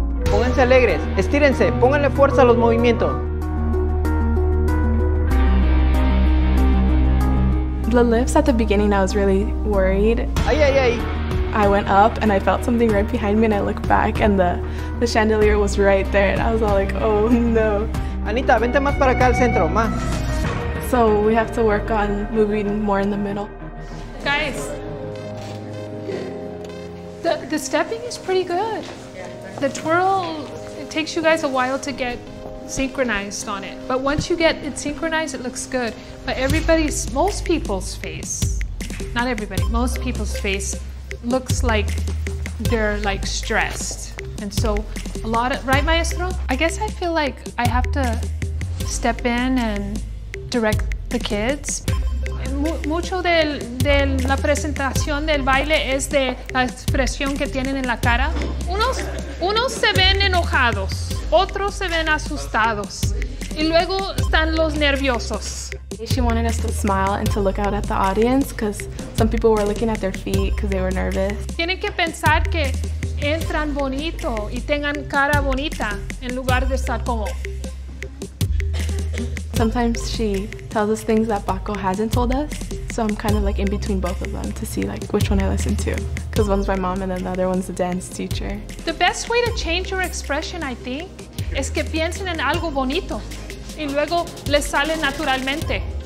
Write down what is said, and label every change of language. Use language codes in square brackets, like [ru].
[es] Pónganse alegres, estírense, pónganle fuerza a los movimientos. [en] The lifts at the beginning, I was really worried. Ay, ay, ay. I went up and I felt something right behind me and I looked back and the chandelier was right there and I was all like, oh no. [es] Anita, vente más para acá al centro, más. [en] So we have to work on moving more in the middle. Guys, the stepping is pretty good. The twirl, it takes you guys a while to get synchronized on it. But once you get it synchronized, it looks good. But everybody's, most people's face, not everybody, most people's face looks like they're like stressed. And so a lot of, right maestro? I guess I feel like I have to step in and direct the kids. [es] Mucho de la presentación del baile es de la expresión que tienen en la cara. Unos se ven enojados, otros se ven asustados. Y luego están los nerviosos. [en] She wanted us to smile and to look out at the audience because some people were looking at their feet because they were nervous. [es] Tienen que pensar que entran bonito y tengan cara bonita en lugar de estar como... [en] Sometimes she tells us things that Baco hasn't told us, so I'm kind of like in between both of them to see like which one I listen to. Because one's my mom and then the other one's the dance teacher. The best way to change your expression, I think, [es] es que piensen en algo bonito y luego les sale naturalmente.